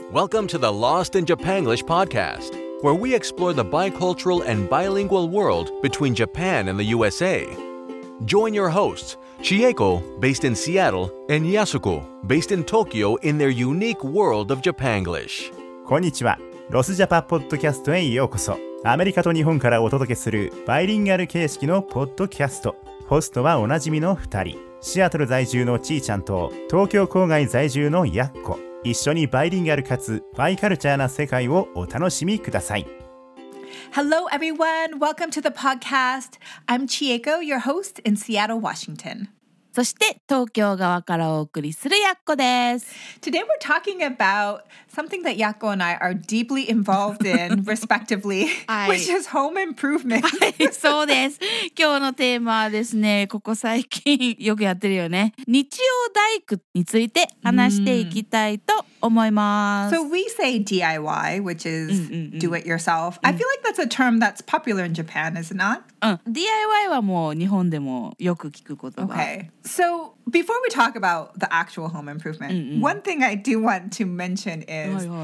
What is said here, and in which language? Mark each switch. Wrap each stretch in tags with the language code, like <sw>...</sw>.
<en>Welcome to the Lost in Japanglish podcast, where we explore the bicultural and bilingual world between Japan and the USA. Join your hosts, Chieko, based in Seattle, and Yasuko, based in Tokyo, in their unique world of Japanglish.</en> <ja>Konnichiwa, Lost Japan podcast へようこそ。アメリカと日本からお届けするバイリンガル形式のポッドキャスト。ホストはおなじみの2人、シアトル在住のちーちゃんと東京郊外在住のやっこ。一緒にバイリンガルかつバイカルチャーな世界をお楽しみください。</ja> <en>Hello everyone, welcome to the podcast. I'm Chieko, your host in Seattle, Washington.</en> <ja>そして東京側からお送りするやっこです。</ja> <en>Today we're talking aboutSomething that Yakko and I are deeply involved in, respectively, which is home improvement.</en> <ja>そうです。今日のテーマはですね、ここ最近よくやってるよね。日曜大工について話していきたいと思います。</ja> <en>So we say DIY, which is do it yourself. I feel like that's a term that's popular in Japan, is it not?</en> <ja>DIY はもう日本でもよく聞く言葉。</ja> <en>Okay. So before we talk about the actual home improvement, one thing I do want to mention is...</en>